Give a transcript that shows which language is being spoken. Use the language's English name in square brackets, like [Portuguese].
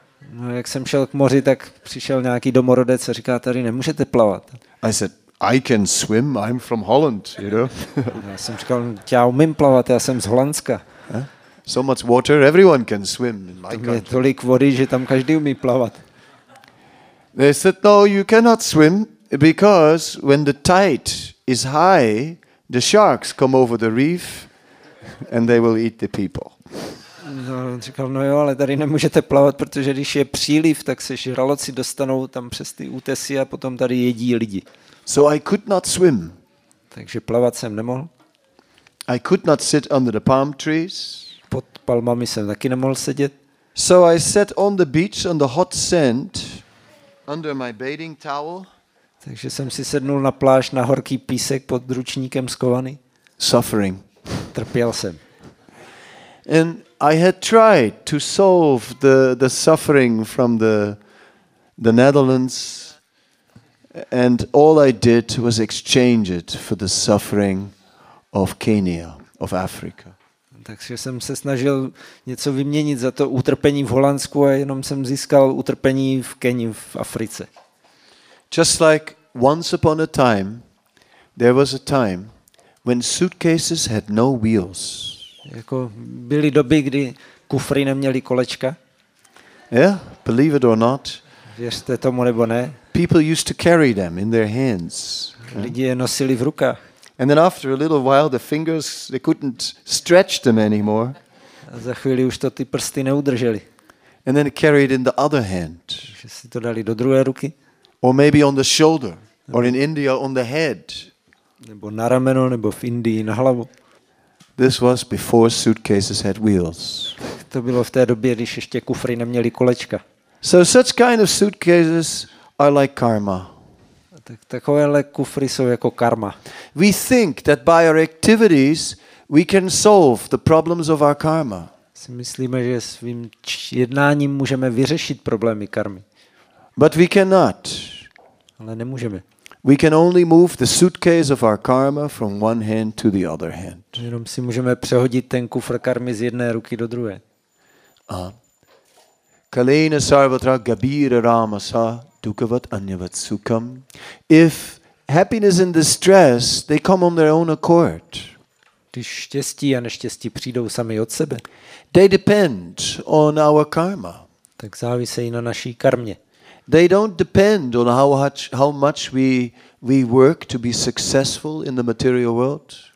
[Czech] No, jak jsem šel k moři, tak přišel nějaký domorodec a říká, tady nemůžete plavat. [English] I said, I can swim, I'm from Holland, you know. [Czech] Já jsem říkal, já umím plavat, já jsem z Holandska. [English] So much water, everyone can swim in my country. [Czech] To je tolik vody, že tam každý umí plavat. [English] They said, no, you cannot swim, because when the tide is high, the sharks come over the reef and they will eat the people. [Czech] No, on říkal, no jo, ale tady nemůžete plavat, protože když je příliv, tak se žraloci dostanou tam přes ty útesy a potom tady jedí lidi. [English] So I could not swim. [Czech] Takže plavat jsem nemohl. [English] I could not sit under the palm trees. [Czech] Pod palmami jsem taky nemohl sedět. [English] So I sat on the beach on the hot sand under my bathing towel. [Czech] Takže jsem si sednul na pláž na horký písek pod ručníkem skovaný. [English] Suffering. [Czech] Trpěl jsem. [English] And I had tried to solve the suffering from the Netherlands, and all I did was exchange it for the suffering of Kenya, of Africa. [Czech] Takže jsem se snažil něco vyměnit za to utrpení v Holandsku a jenom jsem získal utrpení v Keni, v Africe. [English] Just like once upon a time, there was a time when suitcases had no wheels. [Czech] Jako byly doby, kdy kufry neměly kolečka. [English] Yeah, believe it or not. [Czech] Věřte tomu nebo ne. [English] People used to carry them in their hands. [Czech] Lidi je nosili v rukách. [English] And then after a little while the fingers they couldn't stretch them anymore. [Czech] A za chvíli už to ty prsty neudrželi. [English] And then carried in the other hand. [Czech] Že si to dali do druhé ruky. [English] Or maybe on the shoulder, or in India on the head. [Czech] Nebo na rameno, nebo v Indii na hlavu. [English] This was before suitcases had wheels. [Czech] To bylo v té době, když ještě kufry neměly kolečka. [English] So such kind of suitcases are like karma. [Czech] Tak takovéhle kufry jsou jako karma. [English] We think that by our activities we can solve the problems of our karma. [Czech] Si myslíme, že svým jednáním můžeme vyřešit problémy karmy. [English] But we cannot. [Czech] Ale nemůžeme. [English] We can only move the suitcase of our karma from one hand to the other hand. [Czech] Jenom si můžeme přehodit ten kufr karmy z jedné ruky do druhé. [Sanskrit] A Kalena sarvatra gabira ramasa dukavat anyavat sukam. [English] If happiness and distress, they come on their own accord. [Czech] Když štěstí a neštěstí přijdou sami od sebe. [English] They depend on our karma. [Czech] Tak závisejí na naší karmě. [English] They don't depend on how much we work to be successful in the material world.